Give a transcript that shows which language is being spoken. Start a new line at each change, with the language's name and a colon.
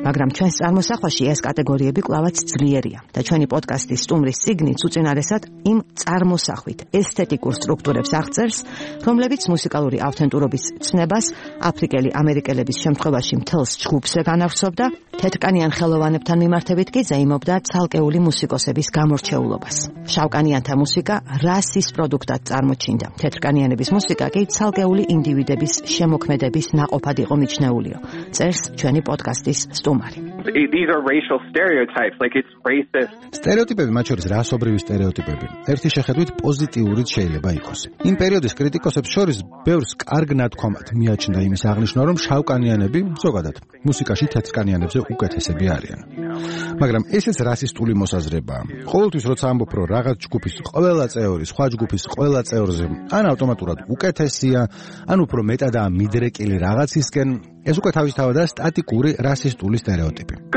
Georgian: მაგრამ ჩვენს წარმოსახვაში ეს კატეგორიები კლავაც ძლიერია და ჩვენი პოდკასტის სტუმრის სიგნით უწინარესად იმ წარმოსახვით ესთეტიკურ სტრუქტურებს აღწერს, რომლებიც მუსიკალური ავთენტურობის ცნებას აფრიკელი ამერიკელების შემთხვევაში მთელს ჯგუფზე განავრცობდა, თეთრკანიან ხელოვანებთან მიმართებით კი ზეიმობდა ცალკეული მუსიკოსების გამორჩეულობას. შავკანიანთა მუსიკა რასის პროდუქტად წარმოჩინდა, თეთრკანიანების მუსიკა კი ცალკეული ინდივიდების შემოქმედების ნაყოფად იყო მიჩნეულიო, წერს ჩვენი პოდკასტის სტუმარი.
English: These are racial stereotypes, like it's racist.
Georgian: Стереотипები, მათ შორის რასობრივი стереотипები. ერთი შეხედვით პოზიტიურიც შეიძლება იყოს. იმ პერიოდის კრიტიკოსებს შორის ბევრს კარგ ნათქვამად მიაჩნდა იმის აღნიშვნა, რომ შავკანიანები ზოგადად მუსიკაში თეთრკანიანებზე უკეთესები არიან. მაგრამ ესეც რასისტული მოსაზრებაა. ყოველთვის როცა ამბობ, რომ რაღაც ჯგუფის ყველა წევრი სხვა ჯგუფის ყველა წევრზე ან ავტომატურად უკეთესია, ან უფრო მეტადაა მიდრეკილი რაღაცისკენ, ეს უკვე თავისთავად სტატიკური რასისტული სტერეოტიპი.